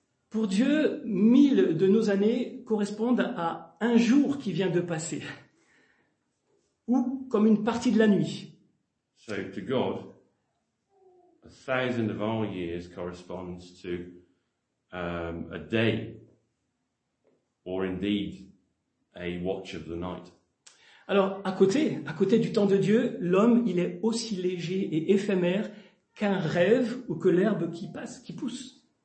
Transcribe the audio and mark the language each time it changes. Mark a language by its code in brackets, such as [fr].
[fr] Pour Dieu, 1000 de nos années correspondent à un jour qui vient de passer, ou comme une partie de la nuit. [en] So to God, 1000 of our years corresponds to a day, or indeed a watch of the night. [fr] Alors, à côté du temps de Dieu, l'homme, il est aussi léger et éphémère qu'un rêve ou que l'herbe qui pousse.